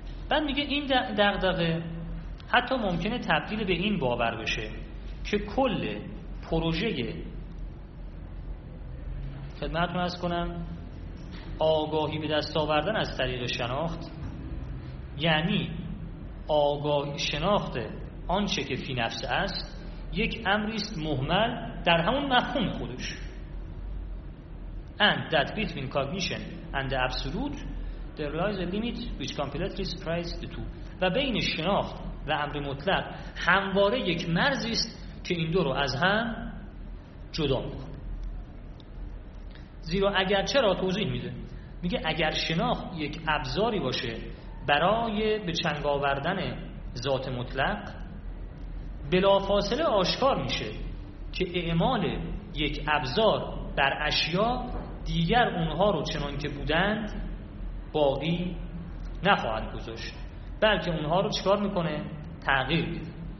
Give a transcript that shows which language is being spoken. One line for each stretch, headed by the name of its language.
Persian: بعد میگه این دغدغه حتی ممکنه تبدیل به این باور بشه که کل پروژه خدمتتون عرض کنم آگاهی به دست آوردن از طریق شناخت، یعنی آگاهی شناخت آنچه که فی نفس است، یک امری است مهمل در همون مفهوم خودش.
English: And that between cognition and the absolute there lies a limit which completely surprises the two.
Persian: و بین شناخت و امر مطلق همواره یک مرزی است که این دو رو از هم جدا می‌کنه. زیرا اگر چرا توضیح میده، میگه اگر شناخت یک ابزاری باشه برای به چنگ آوردن ذات مطلق، بلافاصله آشکار میشه که اعمال یک ابزار بر اشیا دیگر اونها رو چنان که بودند باقی نخواهد گذاشت، بلکه اونها رو چیکار میکنه؟ تغییر میده.